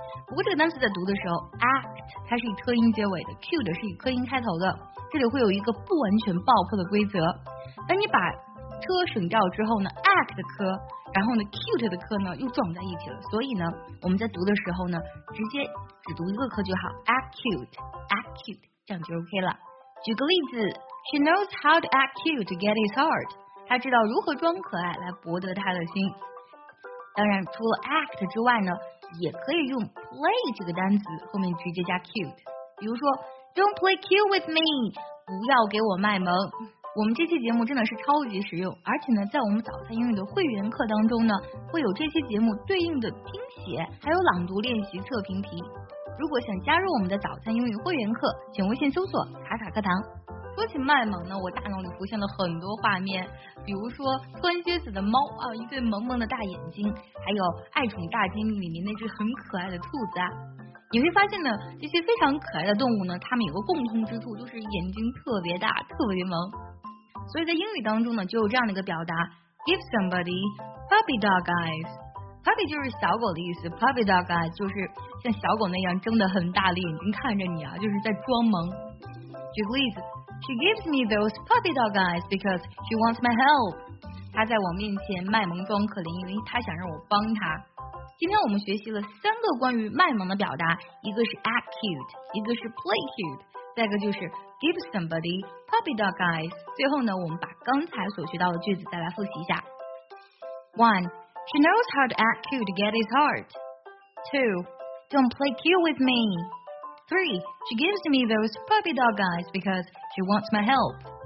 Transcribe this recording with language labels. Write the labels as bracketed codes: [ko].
[zh] 不过这个单词在读的时候 ，act 它是以特音结尾的 ，cute 是以科音开头的，这里会有一个不完全爆破的规则。当你把车省掉之后呢 ，act 的科，然后呢 ，cute 的科呢又撞在一起了，所以呢，我们在读的时候呢，直接只读一个科就好 ，act cute， 这样就 OK 了。举个例子 ， [en] She knows how to act cute to get his heart， [zh] 她知道如何装可爱来博得他的心。当然，除了 act 之外呢，也可以用 play 这个单词后面直接加 cute， 比如说 [en] Don't play cute with me， [zh] 不要给我卖萌。我们这期节目真的是超级实用，而且呢，在我们早餐英语的会员课当中呢，会有这期节目对应的听写，还有朗读练习测评题。如果想加入我们的早餐英语会员课，请微信搜索卡卡课堂。说起卖萌呢，我大脑里浮现了很多画面，比如说穿靴子的猫啊，一对萌萌的大眼睛，还有《爱宠大揭秘》里面那只很可爱的兔子啊。你会发现呢，这些非常可爱的动物呢，它们有个共通之处，就是眼睛特别大，特别萌。所以在英语当中呢，就有这样的一个表达 ： [en] Give somebody puppy dog eyes。 [zh] Puppy 就是小狗的意思 ，puppy dog eyes 就是像小狗那样睁得很大的眼睛看着你啊，就是在装萌。举个例子。 [en] She gives me those puppy dog eyes because she wants my help. [zh] 她在我面前卖萌装可怜，因为她想让我帮她。今天我们学习了三个关于卖萌的表达，一个是 act cute， 一个是 play cute， 再一个就是 give somebody puppy dog eyes。最后呢，我们把刚才所学到的句子再来复习一下。 [en] One, she knows how to act cute to get his heart. Two, don't play cute with me. Three, she gives me those puppy dog eyes because she wants my help.